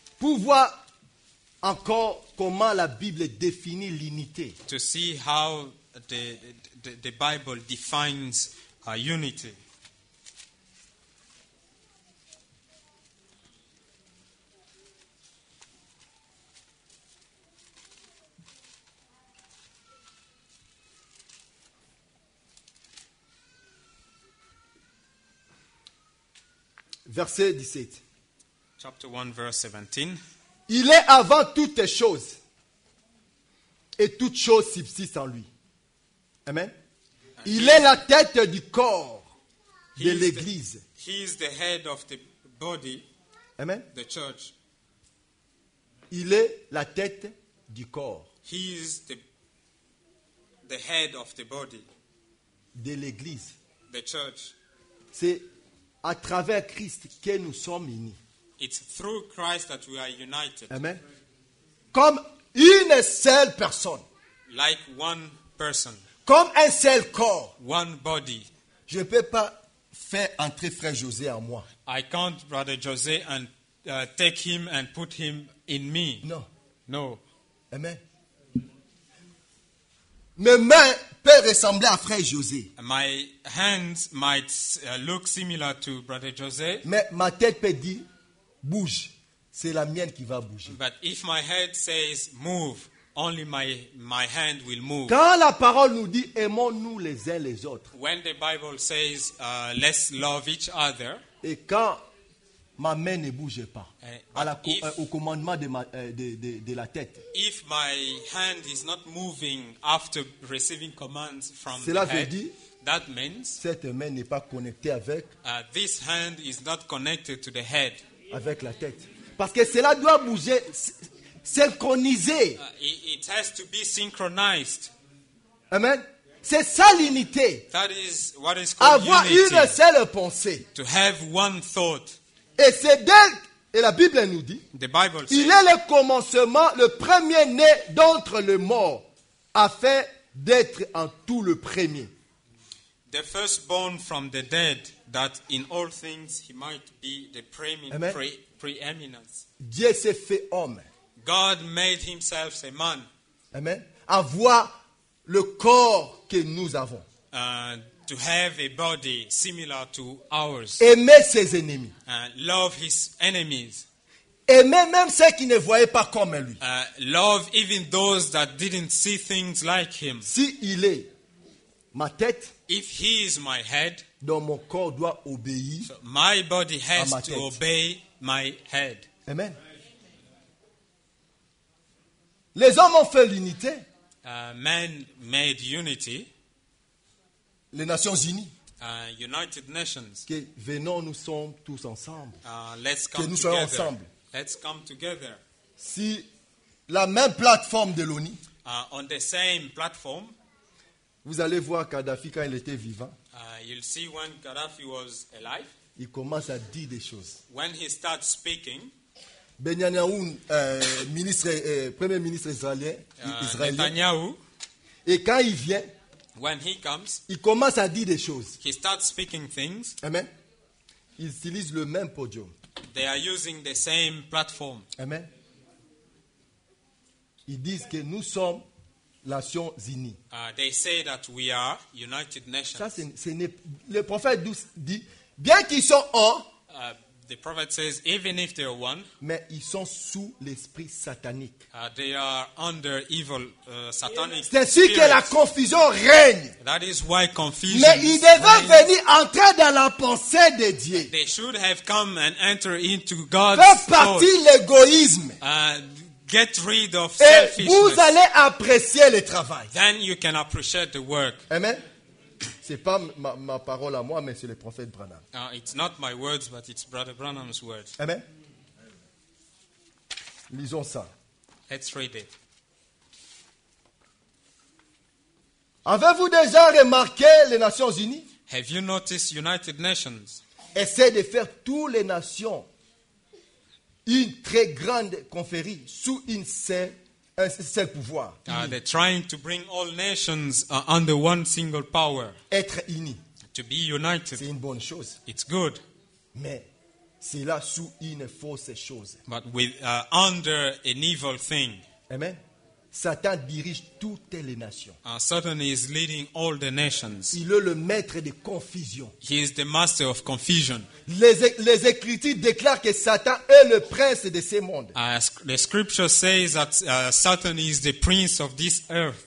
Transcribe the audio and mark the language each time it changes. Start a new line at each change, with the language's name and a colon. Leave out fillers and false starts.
French: Pour voir encore comment la Bible définit l'unité.
English: To see how the Bible defines unity.
French: Verset 17.
English: Chapter 1, verse 17.
French: Il est avant toutes choses, et toutes choses subsistent en lui. Amen. Il est la tête du corps, de l'église.
English: He is the head of the body. Amen. The church.
French: Il est la tête du corps.
English: He is the head of the body.
French: De l'église.
English: The church.
French: C'est à travers Christ que nous sommes unis.
English: It's through Christ that we are united. Amen.
French: Comme une seule personne.
English: Like one person.
French: Comme un seul corps.
English: One body.
French: Je ne peux pas faire entrer frère José en moi.
English: I can't brother José and take him and put him in me.
French: Non.
English: No. Amen.
French: Mes mains peuvent ressembler à frère José.
English: My hands might look similar to brother José.
French: Mais ma tête peut dire bouge, c'est la mienne qui va bouger.
English: But if my head says move, only my hand will move.
French: Quand la parole nous dit aimons-nous les uns les autres.
English: When the Bible says let's love each other.
French: Et quand ma main ne bouge pas au commandement de la tête.
English: If my hand is not moving after receiving commands from
French: cela
English: the head,
French: veut dire,
English: that means
French: cette main n'est pas connectée avec
English: this hand is not connected to the head.
French: Avec la tête. Parce que cela doit bouger, synchroniser.
English: It has to be synchronized.
French: Amen. C'est ça l'unité.
English: That is what is called
French: avoir
English: unity.
French: Une seule pensée.
English: To have one thought.
French: Et c'est d'elle, et la Bible nous dit,
English: the Bible
French: il
English: says,
French: est le commencement, le premier né d'entre les morts, afin d'être en tout le premier.
English: The firstborn from the dead, that in all things he might be the preeminence.
French: Dieu s'est fait homme.
English: God made himself a man. Amen.
French: Avoir le corps que nous avons.
English: To have a body similar to ours.
French: Aimer ses ennemis.
English: Love his enemies.
French: Aimer même ceux qui ne voyaient pas comme lui.
English: Love even those that didn't see things like him.
French: Si il est ma tête,
English: if he is my head,
French: donc mon corps doit obéir.
English: So my body has
French: à ma
English: to
French: tête.
English: Obey my head. Amen.
French: Les hommes ont fait l'unité.
English: Men made unity.
French: Les Nations Unies.
English: United Nations.
French: Que venons nous sommes tous ensemble.
English: Let's come
French: que nous
English: together.
French: Soyons ensemble.
English: Let's come together.
French: Si la même plateforme de l'ONU.
English: On the same platform.
French: Vous allez voir Kadhafi quand il était vivant.
English: You'll see when Gaddafi was alive.
French: Il commence à dire des choses.
English: When he starts speaking.
French: Benyamin, ministre, premier ministre israélien. Netanyahu. Et quand il vient.
English: When he comes.
French: Il commence à dire des choses.
English: He starts speaking things. Amen.
French: Il utilise le même podium.
English: They are using the same platform. Amen.
French: Ils disent que nous sommes. Nations Unies.
English: They say that we are United Nations.
French: Ça, c'est le prophète dit, bien qu'ils sont un,
English: the prophet says, even if they are one,
French: mais ils sont sous l'esprit satanique.
English: They are under evil, satanic.
French: C'est ainsi que la confusion règne.
English: That is why confusion.
French: Mais ils devaient venir entrer dans la pensée de Dieu.
English: They should have come and enter into God's thought.
French: Faire partie l'égoïsme.
English: Get rid of
French: et
English: selfishness.
French: Vous allez apprécier le travail.
English: Then you can appreciate the work. Amen.
French: C'est pas ma parole à moi, mais c'est le prophète Branham.
English: It's not my words, but it's Brother Branham's words. Amen.
French: Lisons ça.
English: Let's read it.
French: Avez-vous déjà remarqué les Nations Unies?
English: Have you noticed United Nations?
French: Essaie de faire toutes les nations. Une très grande conférence sous une seul pouvoir.
English: They're trying to bring all nations under one single power.
French: Être unis.
English: To be united.
French: C'est une bonne chose.
English: It's good.
French: Mais c'est là sous une fausse chose.
English: But with under an evil thing.
French: Amen. Satan dirige toutes les nations.
English: Satan is leading all the nations.
French: Il est le maître de confusion.
English: He is the master of confusion.
French: Les Écritures déclarent que Satan est le prince de ce monde.
English: The scripture says that Satan is the prince of this earth.